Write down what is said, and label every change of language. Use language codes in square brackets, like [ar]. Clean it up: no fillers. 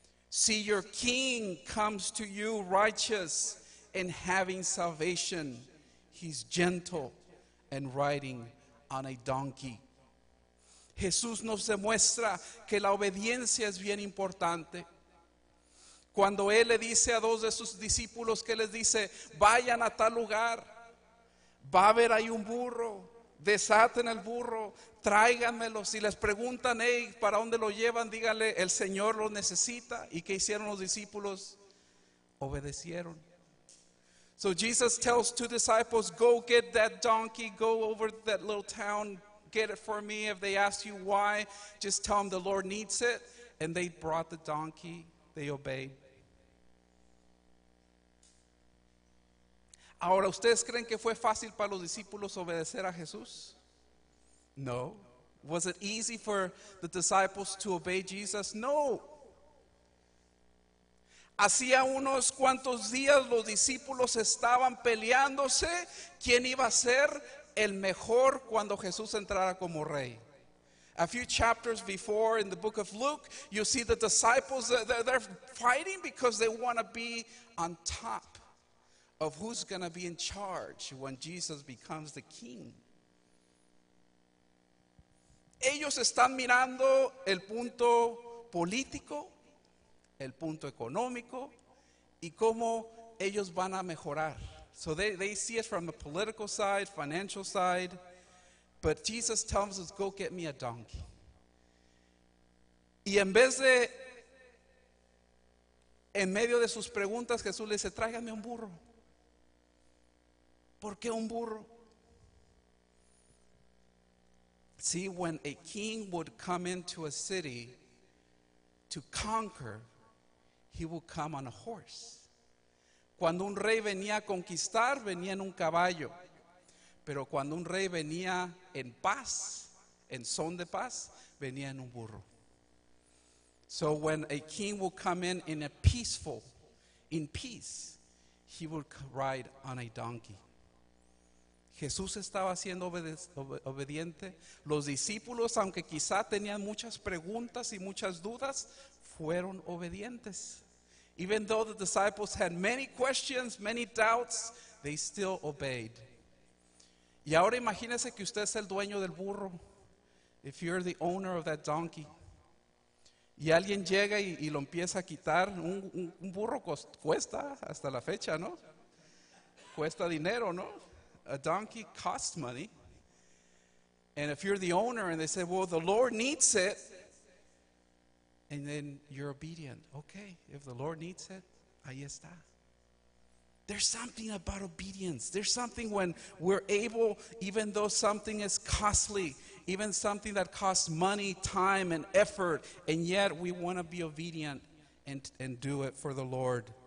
[en] See, your king comes to you righteous and having salvation. He's gentle and riding on a donkey. [es] Jesús nos demuestra que la obediencia es bien importante. Cuando él le dice a dos de sus discípulos, que les dice, vayan a tal lugar, va a haber ahí un burro. Desaten el burro, tráiganmelo. Si les preguntan, hey, ¿para dónde lo llevan? Díganle, el Señor lo necesita. ¿Y qué hicieron los discípulos? Obedecieron. [en] So Jesus tells two disciples, go get that donkey, go over that little town, get it for me. If they ask you why, just tell them the Lord needs it. And they brought the donkey, they obeyed. [es] Ahora, ¿ustedes creen que fue fácil para los discípulos obedecer a Jesús? No. [en] Was it easy for the disciples to obey Jesus? No. [es] Hacía unos cuantos días los discípulos estaban peleándose quién iba a ser el mejor cuando Jesús entrara como rey. [en] A few chapters before in the book of Luke, you see the disciples, they're fighting because they want to be on top of who's going to be in charge when Jesus becomes the king. [es] Ellos están mirando el punto político, el punto económico, y cómo ellos van a mejorar. [en] So they see it from the political side, financial side, but Jesus tells us, go get me a donkey. [es] Y en vez de, en medio de sus preguntas, Jesús le dice, tráigame un burro. ¿Por qué un burro? [en] See, when a king would come into a city to conquer, he would come on a horse. [es] Cuando un rey venía a conquistar, venía en un caballo. Pero cuando un rey venía en paz, en son de paz, venía en un burro. [en] So when a king would come in a peaceful, in peace, he would ride on a donkey. [es] Jesús estaba siendo obediente. Los discípulos, aunque quizá tenían muchas preguntas y muchas dudas, fueron obedientes. [en] Even though the disciples had many questions, many doubts, they still obeyed. [es] Y ahora imagínese que usted es el dueño del burro. [en] If you're the owner of that donkey. [es] Y alguien llega y lo empieza a quitar. Un burro cuesta hasta la fecha, ¿no? Cuesta dinero, ¿no? [en] A donkey costs money. And if you're the owner and they say, well, the Lord needs it. And then you're obedient. Okay, if the Lord needs it, [es] ahí está. [en] There's something about obedience. There's something when we're able, even though something is costly, even something that costs money, time, and effort, and yet we want to be obedient and do it for the Lord.